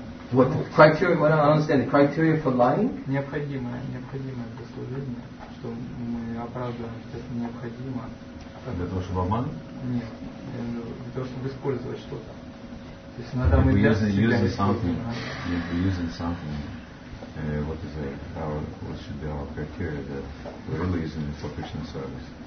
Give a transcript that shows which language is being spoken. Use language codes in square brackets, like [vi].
[en] What the criteria? I don't understand. The criteria for lying? [ru] Необходимое для служения, что мы оправдываем, что необходимо. Для того, чтобы обманывать? Нет, для того, чтобы использовать что-то. То есть иногда мы используем [en] something. If we're using something. What is it? What should be our criteria that we're really using it for Krishna service?